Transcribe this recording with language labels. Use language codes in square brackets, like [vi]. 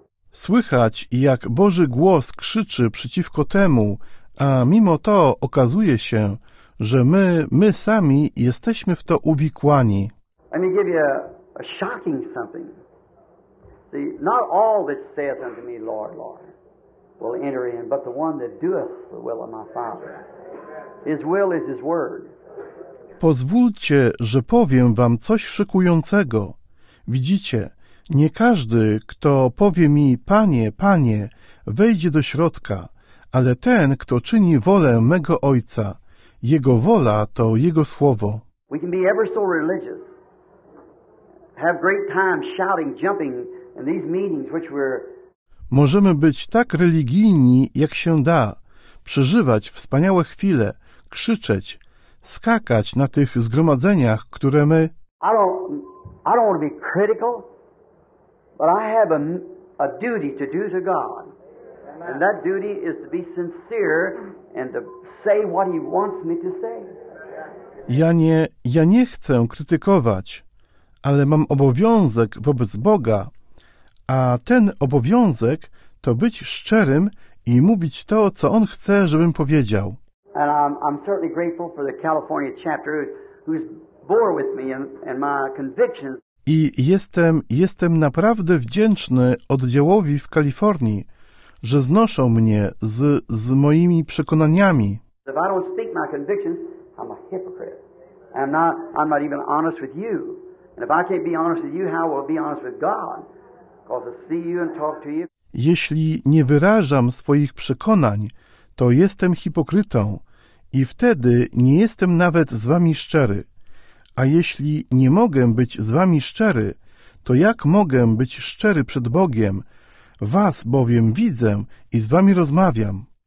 [pl] Słychać, jak Boży głos krzyczy przeciwko temu, a mimo to okazuje się, że my sami jesteśmy w to uwikłani. [en] Let me give you a shocking something. See, not all that saith unto me, Lord, Lord, will enter in, but the one that doeth the will of my Father. His will is his word. [pl] Pozwólcie, że powiem wam coś szykującego. Widzicie, nie każdy, kto powie mi, Panie, Panie, wejdzie do środka, ale ten, kto czyni wolę mego Ojca. Jego wola to Jego słowo. [en] We can be ever so religious, have great time shouting, jumping in these meetings which we're. [pl] Możemy być tak religijni, jak się da, przeżywać wspaniałe chwile, krzyczeć, skakać na tych zgromadzeniach, które my. [en] I don't want to be critical, but I have a duty to do to God. And that duty is to be sincere and to say what he wants me to say. [pl] Ja nie chcę krytykować, ale mam obowiązek wobec Boga, a ten obowiązek to być szczerym i mówić to, co on chce, żebym powiedział. [en] And I'm certainly grateful for the California chapter who's bore with me and my convictions. [pl] I jestem naprawdę wdzięczny oddziałowi w Kalifornii, że znoszą mnie z moimi przekonaniami. [en] If I don't speak my convictions, I'm a hypocrite. I'm not even honest with you. And if I can't be honest with you, how will I be honest with God? Because I see you and talk to you. [pl] Jeśli nie wyrażam swoich przekonań, to jestem hipokrytą i wtedy nie jestem nawet z wami szczery. A jeśli nie mogę być z wami szczery, to jak mogę być szczery przed Bogiem? Was bowiem widzę i z wami rozmawiam.